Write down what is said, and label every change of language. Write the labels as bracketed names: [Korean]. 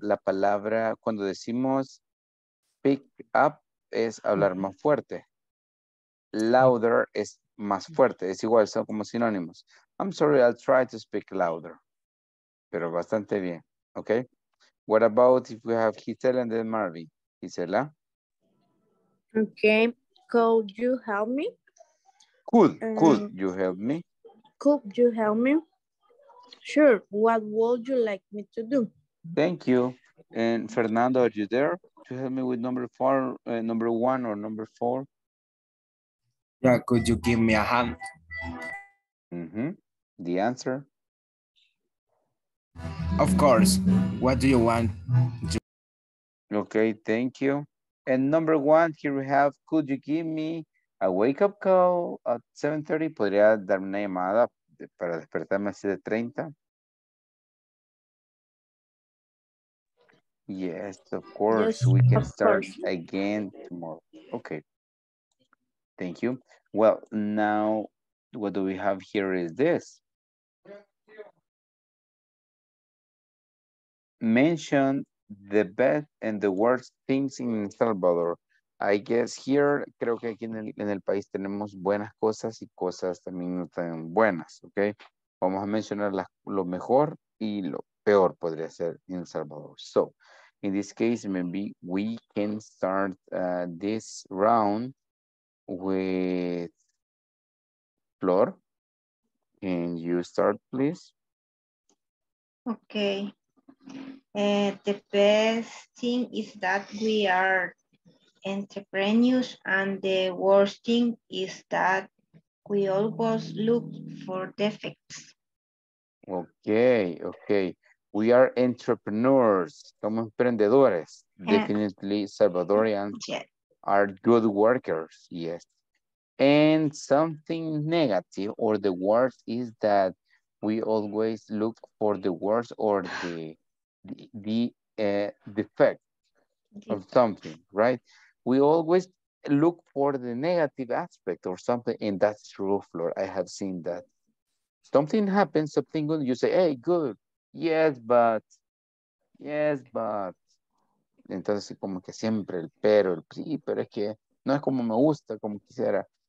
[Spanish] La palabra, cuando decimos speak up, es hablar más fuerte. Louder es más fuerte, es igual, son como sinónimos. [English] I'm sorry, I'll try to speak louder. [Spanish] Pero bastante bien, [English] okay? What about if we have Gisela and then Marvin? Gisela? Okay, could you help me? Could you help me? Could you help me? Sure, what would you like me to do? Thank you. And Fernando, are you there to help me with number four, number one or number four? Yeah, could you give me a hand? Mm-hmm. The answer? Of course. What do you want? Okay, thank you. And number one, here we have, could you give me a wake-up call at 7:30? [Spanish] ¿Podría dar una llamada para despertarme así de 30? [English] Yes, of course. Yes, we can start again tomorrow. Okay. Thank you. Well, now, what do we have here is this. Mention the best and the worst things in El Salvador. I guess here, [Spanish] creo que aquí en el país tenemos buenas cosas y cosas también no tan buenas, okay? Vamos a mencionar lo mejor y lo peor podría ser en El Salvador. [English] So, in this case, maybe we can start this round with Flor. Can you start, please? Okay. The best thing is that we are entrepreneurs, and the worst thing is that we always look for defects. Okay. We are entrepreneurs. [Spanish] Somos emprendedores. [English] Definitely Salvadorians are good workers. Yes. And something negative or the worst is that we always look for the worst or the defect of something, right? We always look for the negative aspect or something, and that's true, Flor. I have seen that. Something happens, something good, you say, hey, good. Yes, but. [Spanish] Entonces, como que siempre el pero, el sí, pero es que no es como me gusta, como quisiera.